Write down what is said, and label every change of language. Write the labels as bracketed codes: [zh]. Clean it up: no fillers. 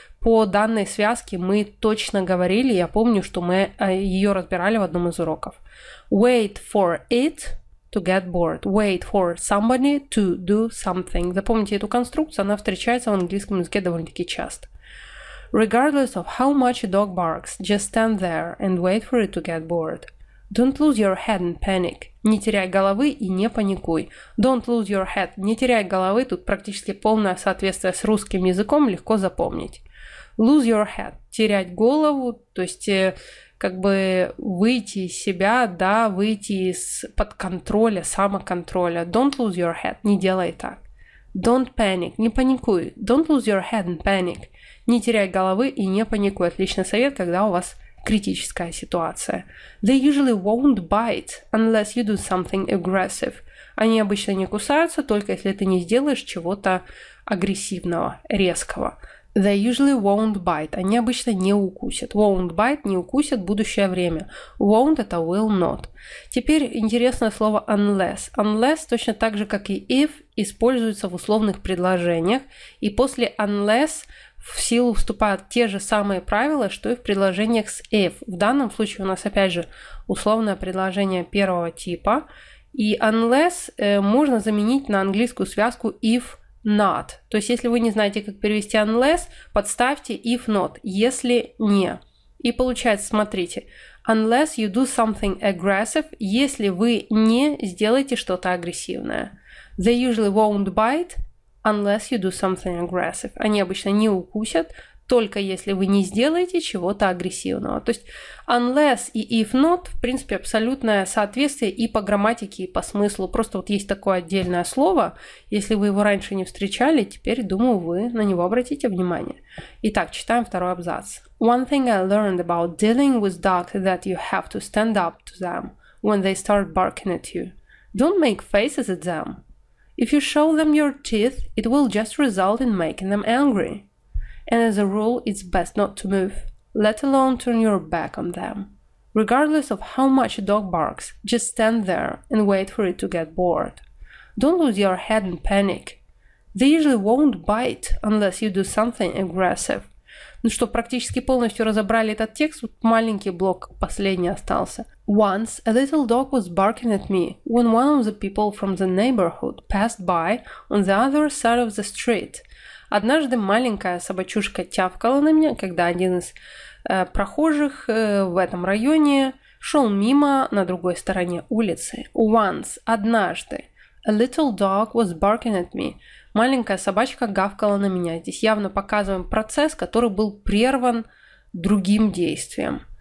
[ru] По данной связке мы точно говорили, я помню, что мы ее разбирали в одном из уроков. [en] Wait for it to get bored. Wait for somebody to do something. [ru] Запомните эту конструкцию, она встречается в английском языке довольно-таки часто. [en] Regardless of how much a dog barks, just stand there and wait for it to get bored. Don't lose your head and panic. [ru] Не теряй головы и не паникуй. [en] Don't lose your head. [ru] Не теряй головы. Тут практически полное соответствие с русским языком, легко запомнить. [en] Lose your head. [ru] Терять голову, то есть как бы выйти из себя, да, выйти из-под контроля, самоконтроля. [en] Don't lose your head. [ru] Не делай так. [en] Don't panic. [ru] Не паникуй. [en] Don't lose your head and panic. [ru] Не теряй головы и не паникуй. Отличный совет, когда у вас критическая ситуация. [en] They usually won't bite unless you do something aggressive. [ru] Они обычно не кусаются, только если ты не сделаешь чего-то агрессивного, резкого. [en] They usually won't bite. [ru] Они обычно не укусят. [en] Won't bite [ru] – не укусят, будущее время. Won't – это [en] will not. [ru] Теперь интересное слово unless. Unless точно так же, как и if, используется в условных предложениях. И после unless в силу вступают те же самые правила, что и в предложениях с if. В данном случае у нас, опять же, условное предложение первого типа. И unless можно заменить на английскую связку if [en] not. [ru] То есть, если вы не знаете, как перевести unless, подставьте if not, если не. И получается, смотрите, [en] unless you do something aggressive, [ru] если вы не сделаете что-то агрессивное. [en] They usually won't bite unless you do something aggressive. [ru] Они обычно не укусят, только если вы не сделаете чего-то агрессивного. То есть unless и if not, в принципе, абсолютное соответствие и по грамматике, и по смыслу. Просто вот есть такое отдельное слово, если вы его раньше не встречали, теперь, думаю, вы на него обратите внимание. Итак, читаем второй абзац. [en] One thing I learned about dealing with dogs is that you have to stand up to them when they start barking at you. Don't make faces at them. If you show them your teeth, it will just result in making them angry. And as a rule, it's best not to move, let alone turn your back on them. Regardless of how much a dog barks, just stand there and wait for it to get bored. Don't lose your head and panic. They usually won't bite unless you do something aggressive. [ru] Ну что, практически полностью разобрали этот текст, вот маленький блок последний остался. [en] Once a little dog was barking at me when one of the people from the neighborhood passed by on the other side of the street. [ru] Однажды маленькая собачушка тявкала на меня, когда один из прохожих в этом районе шел мимо на другой стороне улицы. [en] Once, [ru] однажды, [en] a little dog was barking at me. [ru] Маленькая собачка гавкала на меня. Здесь явно показываем процесс, который был прерван другим действием.